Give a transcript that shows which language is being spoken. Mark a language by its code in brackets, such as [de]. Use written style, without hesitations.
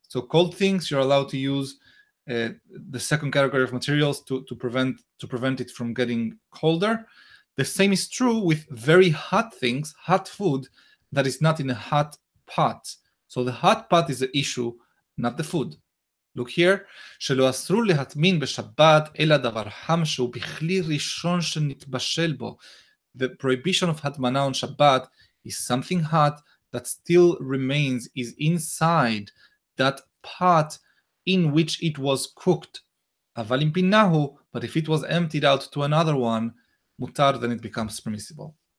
[en] So cold things, you're allowed to use the second category of materials to prevent it from getting colder. The same is true with very hot things, hot food that is not in a hot pot. So the hot pot is the issue, not the food. [he] Look here, שלא אסרו להטמין בשבת אלא דבר חם שהוא בכלי ראשון שנתבשל בו. [en] The prohibition of hatmana on Shabbat is something hot that still remains, is inside that pot in which it was cooked. [he] אבל אם פינהו, [en] but if it was emptied out to another one, mutar, then it becomes permissible.